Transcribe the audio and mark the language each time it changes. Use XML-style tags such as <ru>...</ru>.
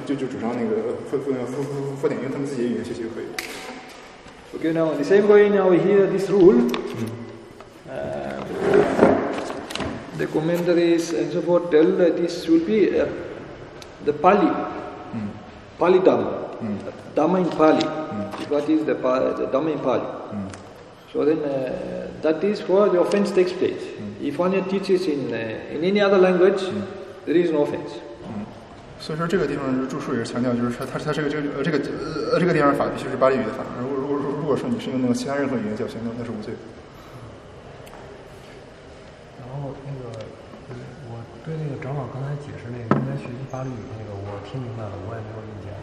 <zh>就主张那个傅鼎英他们自己的语言学习就可以了。</zh> <en>Okay, now the same way, now we hear this rule. The commentaries and so forth tell that this should be the Pali, Pali Dhamma, Dhamma in Pali. What is the Dhamma in Pali? So then that is where the offense takes place. If one teaches in any other language, there is no offense.</en> <zh>所以说这个地方注释也是强调，就是他这个地方法必须是巴利语的法。如果说你是用那个其他任何语言教学，那是无罪。然后那个，我对那个长老刚才解释那个应该学习巴利语那个，我听明白了，我也没有意见。</zh>